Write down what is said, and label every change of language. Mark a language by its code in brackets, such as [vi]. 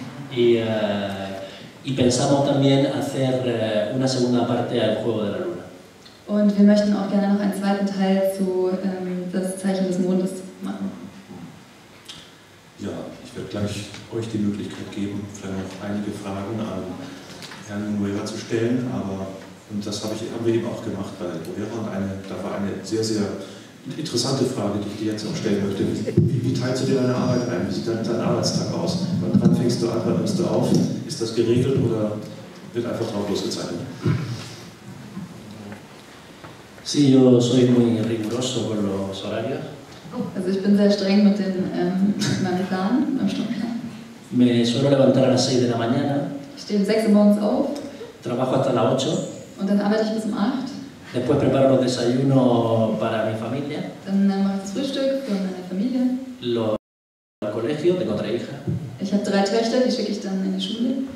[es] Y pensamos también hacer una segunda parte al Juego de la Luna. [de] Und wir möchten auch gerne noch einen zweiten Teil zu das Zeichen des Mondes machen. Ja, ich werde gleich euch die Möglichkeit geben, vielleicht noch einige Fragen an Herrn Nguera zu stellen. Aber, und das haben wir eben auch gemacht bei Nguera. Und da war eine sehr, sehr interessante Frage, die ich dir jetzt auch stellen möchte. Wie teilst du dir deine Arbeit ein? Wie sieht dein Arbeitstag aus? Wann fängst du an? Wann nimmst du auf? Ist das geregelt oder wird einfach drauf losgezeichnet? [es] Sí, yo soy muy riguroso con los horarios. [de] Also ich bin sehr streng mit den Meridianen, am Stundenplan. [es] Me suelo levantar a las 6 de la mañana. [de] Ich stehe um 6 Uhr morgens auf. [es] Trabajo hasta las 8. [de] Und dann arbeite ich bis um 8. [es] Después preparo los desayunos para mi familia. [de] Dann mache ich das Frühstück für meine Familie. [es] Lo al colegio, tengo 3 hijas. [de] Ich habe 3 Töchter, die schicke ich dann in die Schule.